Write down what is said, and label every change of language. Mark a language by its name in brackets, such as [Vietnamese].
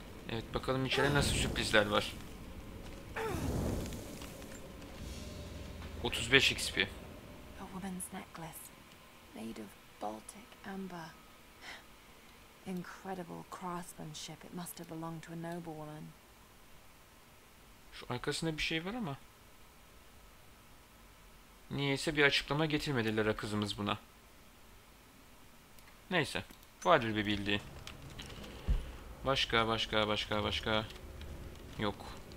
[Turkish] Evet bakalım içeride nasıl sürprizler var. 35 XP. [English] A woman's necklace made of Baltic amber. Incredible craftsmanship. It must have belonged to a noblewoman. [Turkish] Şu arkasında bir şey var ama. Niyeyse bir açıklama getirmediler kızımız buna. Neyse, vardır bir bildiği. Başka. Yok.